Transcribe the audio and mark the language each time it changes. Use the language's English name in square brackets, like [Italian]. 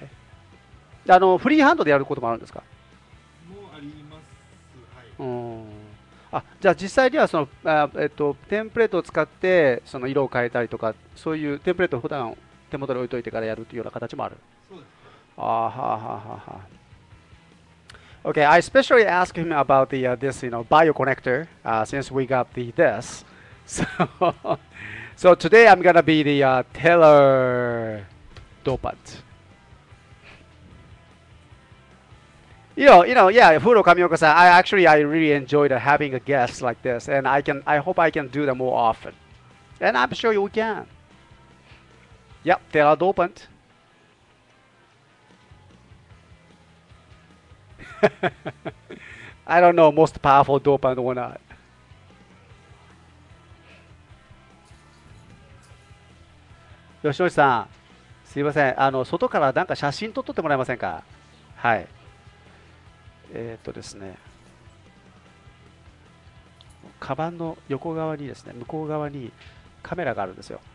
[Japanese] ね。Okay. あのフリーハンドでやることもあるんですか? もうあります。はい。あ、じゃあ実際にはその、テンプレートを使ってその色を変えたりとか、そういうテンプレートを普段手元に置いといてからやるというような形もある。そうです。ああはははは。 [English] Okay, I especially asked him about the this, you know, bioconnector, since we got the this. So, so today I'm gonna be the Taylor dopant. You know, yeah, Furo Kamioka-san, I really enjoyed having a guest like this, and I hope I can do that more often. And I'm sure we can. Yep, Taylor dopant. I don't know, most powerful dopant or not. [Japanese] よしよしさん、すいません、外からなんか写真撮っとってもらえませんか。はい。ですね、カバンの横側にですね、向こう側にカメラがあるんですよ。